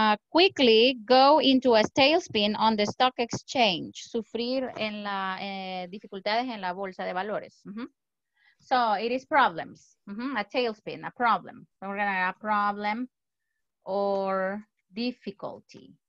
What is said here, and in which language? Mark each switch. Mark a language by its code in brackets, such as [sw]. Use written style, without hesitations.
[en] Quickly go into a tailspin on the stock exchange. [es] Sufrir en la dificultades en la bolsa de valores. [en] Mm-hmm. So it is problems. Mm-hmm. A tailspin, a problem. So we're gonna have a problem or difficulty.